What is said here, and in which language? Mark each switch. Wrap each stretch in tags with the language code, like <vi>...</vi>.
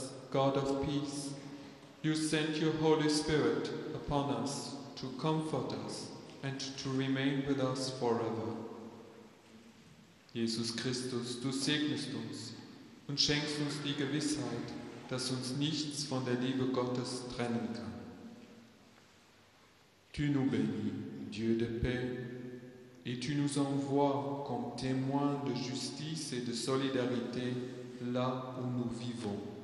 <en>God of peace, you sent your Holy Spirit upon us to comfort us and to remain with us forever.</en> <de>Jesus Christus, du segnest uns und schenkst uns die Gewissheit, dass uns nichts von der Liebe Gottes trennen kann.</de> <fr>Tu nous bénis, Dieu de paix, et tu nous envoies comme témoins de justice et de solidarité là où nous vivons.</fr>